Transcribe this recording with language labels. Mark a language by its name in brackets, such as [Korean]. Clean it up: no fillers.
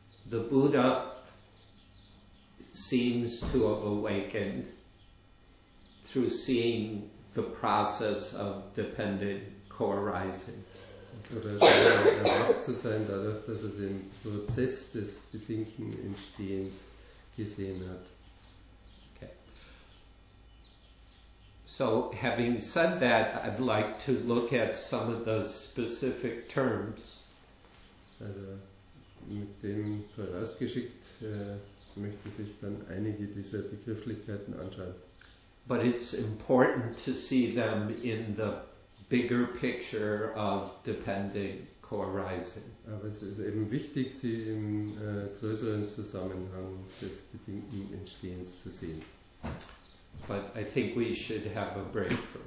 [English] The Buddha seems to have awakened through seeing the process of dependent co-arising. [German] Oder scheint erwacht zu sein dadurch, dass er den Prozess des bedingten Entstehens gesehen hat. [English] So, having said that, I'd like to look at some of the specific terms. [German] Also, mit dem vorausgeschickt, möchte ich dann einige dieser Begrifflichkeiten anschauen. [English] But it's important to see them in the bigger picture of dependent co-arising. [German] Aber es ist eben wichtig, sie im größeren Zusammenhang des bedingten Entstehens zu sehen. [English] But I think we should have a break first.